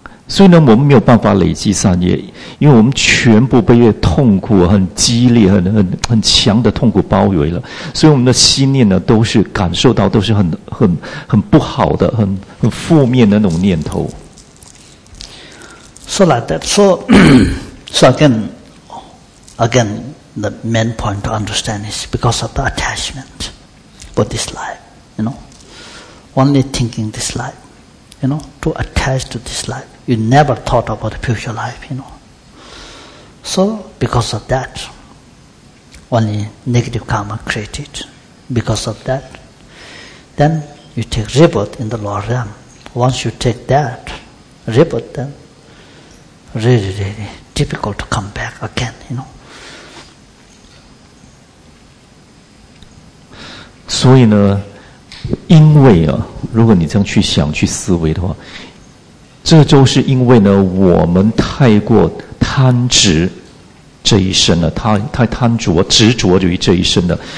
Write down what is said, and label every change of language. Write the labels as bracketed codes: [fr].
[zh] 所以呢，我们没有办法累积善业，因为我们全部被痛苦很激烈、很强的痛苦包围了。所以我们的心念呢，都是感受到都是很不好的、很负面的那种念头。 [en] So like that. So again, the main point to understand is because of the attachment for this life. You know, only thinking this life. You know, to attach to this life. You never thought about the future life, you know. So, because of that, only negative karma created. Because of that, then you take rebirth in the lower realm. Once you take that rebirth, then really, really difficult to come back again, you know. [zh] 所以呢，因为啊，如果你这样去想、去思维的话。这就是因为呢，我们太过贪执这一生了，太贪着、执着于这一生了。